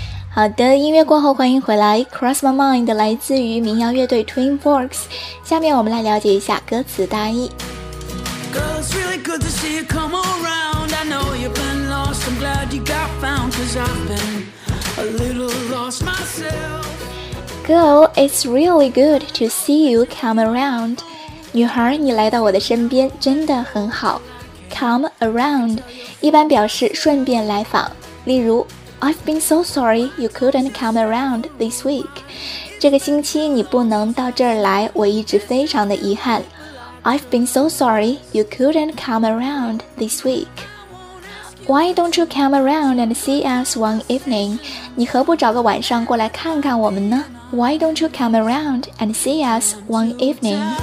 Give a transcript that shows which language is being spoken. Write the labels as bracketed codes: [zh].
[zh] 好的，音乐过后欢迎回来。 Cross My Mind 来自于民谣乐队 Twin Forks。下面我们来了解一下歌词大意。 [en] Girl, it's really good to see you come around. I know you've been lost. I'm glad you got found. Cause I've been a little lost myself. Girl, it's really good to see you come around. [zh] 女孩，你来到我的身边真的很好。 Come around 一般表示顺便来访，例如 [en] I've been so sorry you couldn't come around this week. [zh] 这个星期你不能到这儿来，我一直非常的遗憾。 [en] I've been so sorry you couldn't come around this week. Why don't you come around and see us one evening? [zh] 你何不找个晚上过来看看我们呢？ [en] Why don't you come around and see us one evening?